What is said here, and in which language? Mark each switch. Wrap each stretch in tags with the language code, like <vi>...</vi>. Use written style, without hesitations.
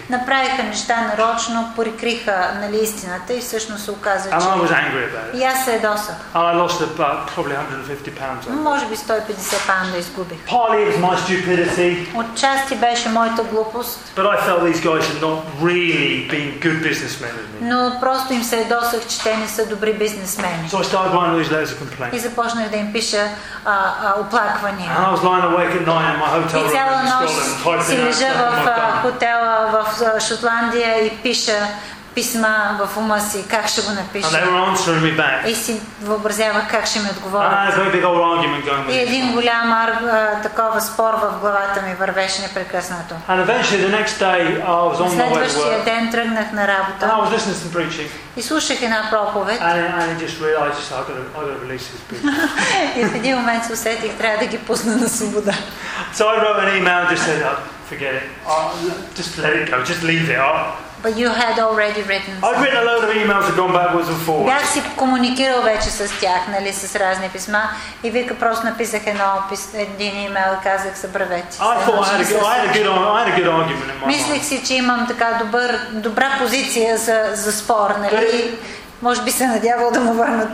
<bg>Направиха неща нарочно, прикриха нали истината и всъщност се оказа, че...</bg> <en>I was angry about it.</en> <bg>И аз се едосах.</bg> <en>Oh, I lost about probably 150 pounds.</en> <bg>Може би 150 паунда изгубих.</bg> <en>Partly it was my stupidity.</en> <bg>Отчасти беше моята глупост.</bg> <en>But I felt these guys had not really been good businessmen with me.</en> <bg>Но просто им се едосах, че те не са добри бизнесмени.</bg> <en>So I started writing all these letters of complaint.</en> <bg>И започнах да им пиша оплаквания.</bg> <en>And I was lying awake at night in my hotel room.</en> <bg>И цяла нощ си лежа в хотела в Шотландия и пиша писма в ума си, как ще го напиша.</bg> <en>And they were answering me back.</en> <bg>И си въобразявах как ще ми отговорят. И един голям такова спор в главата ми вървеше непрекъснато.</bg> <en>And eventually the next day I was on my way to work.</en> <bg>Следващия ден тръгнах на работа.</bg> <en>And I was listening to some preaching.</en> <bg>И слушах една проповед.</bg> <en>And I just realized I gotta release this book.</en> <bg>И в един момент се усетих, трябва да ги пусна на свобода.</bg> <en>So I wrote an email and just said, forget it. Just let it go. Just leave it. But you had already written. I've written a load of emails that gone backwards and forwards.</en> <bg>Бях си комуникирал вече с тях, нали, с разни писма, и вика просто написах един имейл, казах забравете.</bg> <en>I had a good argument in my mind.</en> <bg>Мислих си, че имам така добра позиция за спор, нали? Може би се надявал да му върнат.</bg>